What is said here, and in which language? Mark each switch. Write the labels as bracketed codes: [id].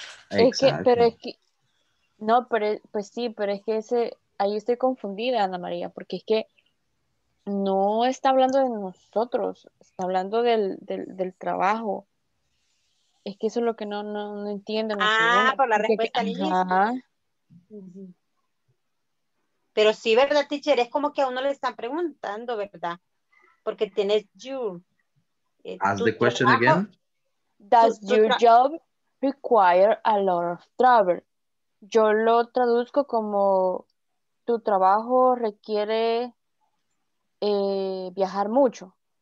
[es] Es que, pero es que, no, pero, pues sí, pero es que ese, ahí estoy confundida, Ana María, porque es que no está hablando de nosotros, está hablando del trabajo. Es que eso es lo que no entiendo. Ah, por la respuesta lista. Ajá. Pero sí, ¿verdad, teacher? Es como que a uno le están preguntando, ¿verdad? Porque tienes your... [en] Ask the question trabajo. Again. Does your job require a lot of travel? [es] Yo lo traduzco como tu trabajo requiere viajar mucho.